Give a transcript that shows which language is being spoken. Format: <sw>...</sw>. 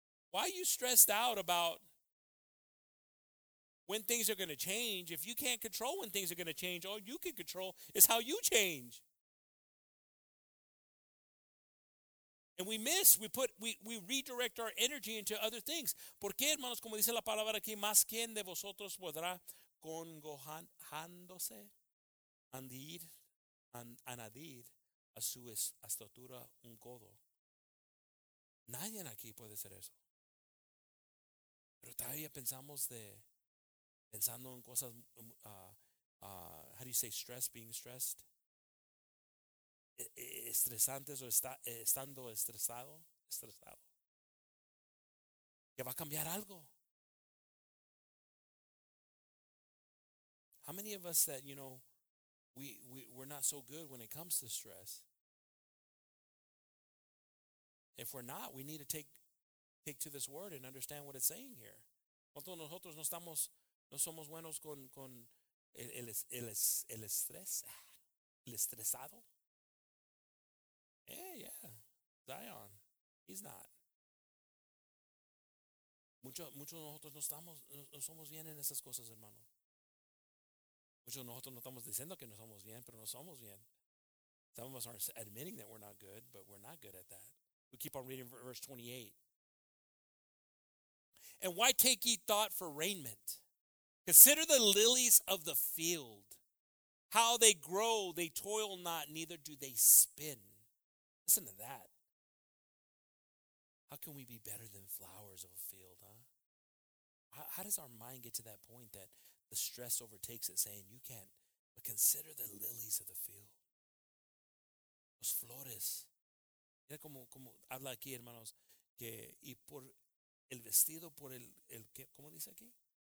<en>Why are you stressed out about when things are going to change? If you can't control when things are going to change, all you can control is how you change. And we redirect our energy into other things.</en> <es>¿Por qué, hermanos, como dice la palabra aquí, más quien de vosotros podrá congojándose añadir a su estatura un codo? Nadie aquí puede hacer eso. Pero todavía pensando en cosas,</es> <en>how do you say stress, being stressed?</en> <es>Estresantes o estando estresado. ¿Que va a cambiar algo?</es> <en>How many of us that, you know, we're not so good when it comes to stress? If we're not, we need to take to this word and understand what it's saying here.</en> <es>¿Cuántos nosotros no somos buenos con el estrés? ¿El estresado?</es> <en>Yeah. Zion. He's not.</en> <es>Muchos de nosotros no somos bien en esas cosas, hermano. Muchos de nosotros no estamos diciendo que no somos bien, pero no somos bien.</es> <en>Some of us aren't admitting that we're not good, but we're not good at that. We keep on reading verse 28. And why take ye thought for raiment? Consider the lilies of the field, how they grow, they toil not, neither do they spin. Listen to that. How can we be better than flowers of a field, huh? How does our mind get to that point that the stress overtakes it, saying you can't, but consider the lilies of the field.</en> <es>Los flores. Mira como habla aquí, hermanos, que y por el vestido, por el que, ¿cómo dice aquí?</es>